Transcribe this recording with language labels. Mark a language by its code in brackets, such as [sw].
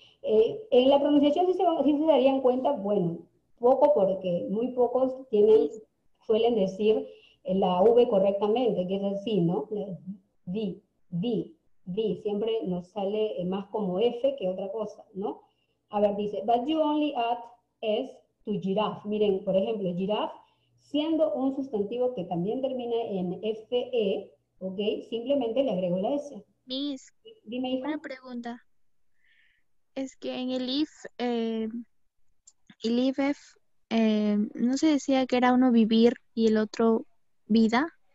[es] En la pronunciación sí se darían cuenta, bueno, poco porque muy pocos tienen, suelen decir la V correctamente, que es así, ¿no? V, V, V, siempre nos sale más como F que otra cosa, ¿no? A ver, dice, [en] but you only add S to giraffe. [es] Miren, por ejemplo, giraffe, siendo un sustantivo que también termina en F-E, ¿ok? Simplemente le agrego la S. Miss, dime, hija. Una pregunta. Es que en el if, el if, ¿no se decía que era uno vivir y el otro vida?